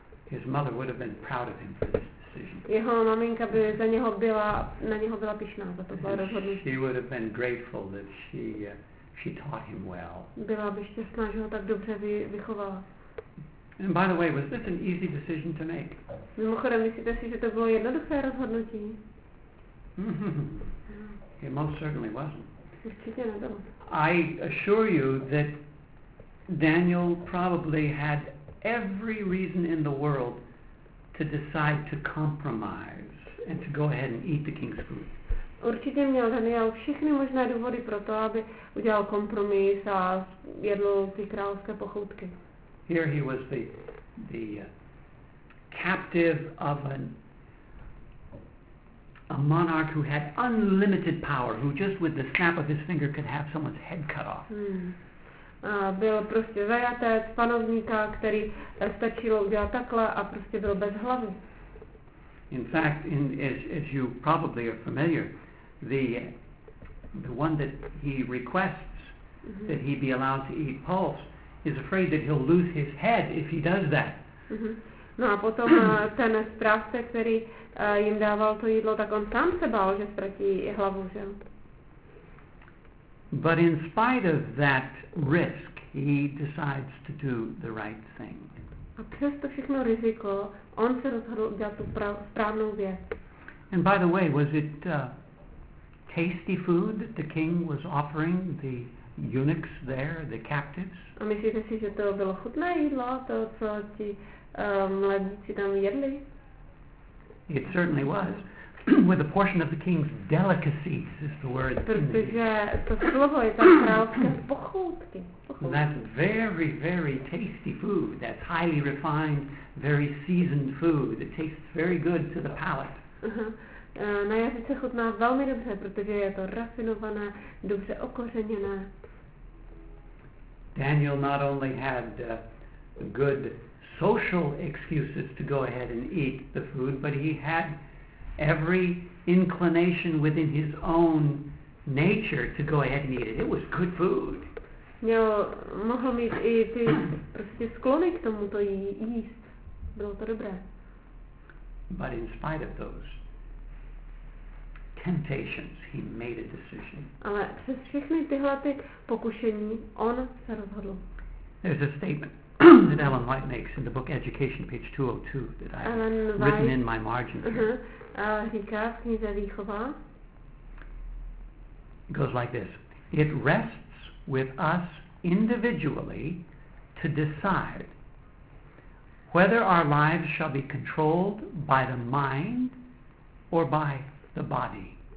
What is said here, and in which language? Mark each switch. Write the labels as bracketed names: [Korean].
[English] His mother would have been proud of him for this decision. [Czech] Jeho maminka by za něho byla, na něho byla pyšná za to rozhodnutí. [English] She would have been grateful that she taught him well. [Czech] Byla by šťastná, že ho tak dobře vychovala. [English] And by the way, was this an easy decision to make? [Czech] Mimochodem, myslíte si, že to bylo jednoduché rozhodnutí? [English] It most certainly wasn't. [Czech] Určitě nebylo. [English] I assure you that Daniel probably had every reason in the world to decide to compromise and to go ahead and eat the king's food. [Czech] Určitě měl Daniel všechny možné důvody pro to, aby udělal kompromis a jedl ty královské pochoutky. [English] Here he was the captive of a monarch who had unlimited power, who just with the snap of his finger could have someone's head cut off. [Czech] Byl prostě zajatec panovníka, který stačilo udělat takhle a prostě byl bez hlavy. [English] In fact, as you probably are familiar, the one that he requests that he be allowed to eat pulse is afraid that he'll lose his head if he does that. [Czech] No a potom ten správce, který jim dával to jídlo, tak on sám se bál, že ztratí hlavu, že? [English] But in spite of that risk, he decides to do the right thing. [Czech] A přesto všechno riziko, on se rozhodl udělat tu správnou věc. [English] And by the way, was it tasty food that the king was offering the eunuchs there, the captives? [Czech] A myslíte si, že to bylo chutné jídlo, to, co ti mladíci tam jedli? [English] It certainly was. With a portion of the king's delicacies is the word. [Czech] Protože to slovo je tam královské pochoutky. [English] That's very, very tasty food. That's highly refined, very seasoned food. It tastes very good to the palate. [Czech] Na jazyce chutná velmi dobře, protože je to rafinované, dobře okořeněné. [English] Daniel not only had good social excuses to go ahead and eat the food, but he had every inclination within his own nature to go ahead and eat it. It was good food. [Czech] Měl, mohl mít i ty prostě sklony k tomuto jíst. Bylo to dobré. [English] But in spite of those temptations, he made a decision. [Czech] Ale přes všechny tyhle ty pokušení, on se rozhodl. [English] There's a statement that Ellen White makes in the book Education, page 202, that I've written in my margin. [Czech] Říká v knize Výchova. [English] Goes like this. It rests with us individually to decide whether our lives shall be controlled by the mind or by the body.